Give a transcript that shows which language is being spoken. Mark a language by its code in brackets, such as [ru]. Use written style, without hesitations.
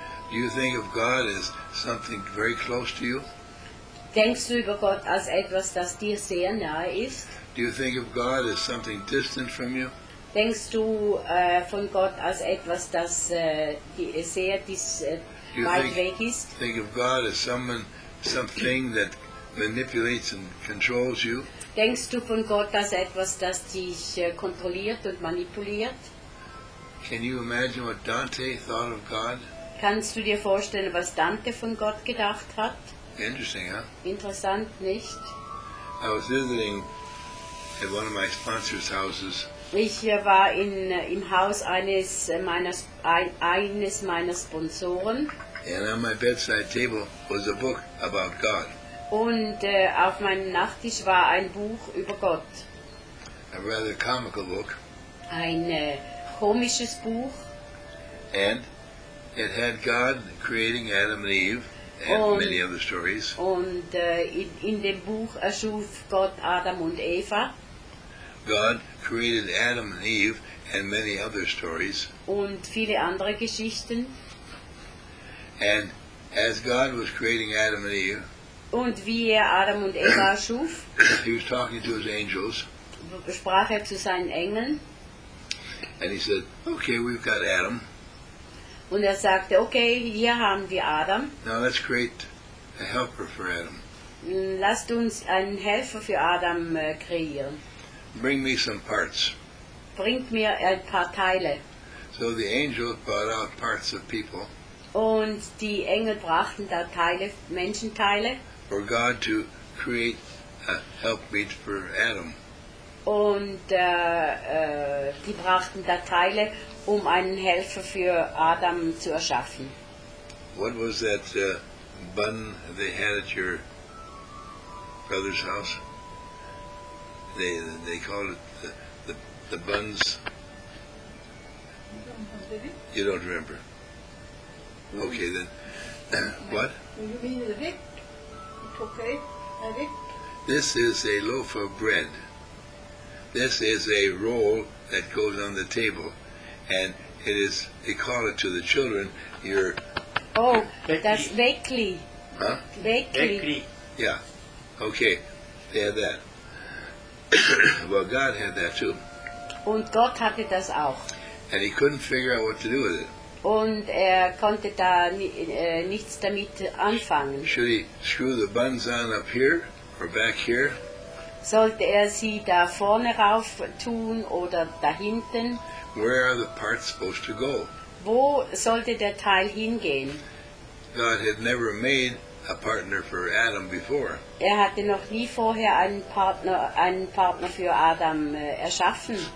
[en] Do you think of God as something very close to you? [de] Denkst du über Gott als etwas, das dir sehr nahe ist? [en] Do you think of God as something distant from you? [de] Denkst du von Gott als etwas, das sehr weit weg ist? [en] Think of God as someone, something that manipulates and controls you? [de] Denkst du von Gott als etwas, das dich kontrolliert und manipuliert? [en] Can you imagine what Dante thought of God? [de] Kannst du dir vorstellen, was Dante von Gott gedacht hat? [en] Interesting, huh? [de] Interessant, nicht? [en] I was visiting at one of my sponsors' houses. [de] Ich war im Haus eines meiner Sponsoren. [en] And on my bedside table was a book about God. [de] Und auf meinem Nachttisch war ein Buch über Gott. [en] A rather comical book. [de] Ein komisches Buch. [en] And it had God creating Adam and Eve. Many other stories. [de] Und in dem Buch erschuf Gott Adam und Eva. [en] God created Adam and Eve and many other stories. [de] Und viele andere Geschichten. [en] And as God was creating Adam and Eve. [de] Und wie Adam und Eva erschuf. [en] He was talking to his angels. [de] Sprach zu seinen Engeln. [en] And he said, "Okay, we've got Adam." [de] Und sagte, okay, hier haben wir Adam. [en] Now let's create a helper for Adam. [de] Lasst uns einen Helfer für Adam kreieren. [en] Bring me some parts. [de] Bringt mir ein paar Teile. [en] So the angel brought out parts of people. [de] Und die Engel brachten da Teile, Menschenteile. [en] For God to create a helpmeet for Adam. [de] Und die brachten da Teile, einen Helfer für Adam zu erschaffen. [en] What was that bun they had at your brother's house? They called it the buns. You don't remember. Okay then. What? You mean the rick? Okay, a rick. This is a loaf of bread. This is a roll that goes on the table. And it is, they call it to the children, your... Oh, that's Weckli. Huh? Weckli. Yeah. Okay. They had that. Well, God had that too. [de] Und Gott hatte das auch. [en] And he couldn't figure out what to do with it. [de] Und konnte da nichts damit anfangen. [en] Should he screw the buns on up here or back here? [de] Sollte sie da vorne rauf tun oder da hinten? [en] Where are the parts supposed to go? [de] Wo sollte der Teil hingehen? [en] God had never made a partner for Adam before. [de] Hatte noch nie vorher einen Partner für Adam erschaffen.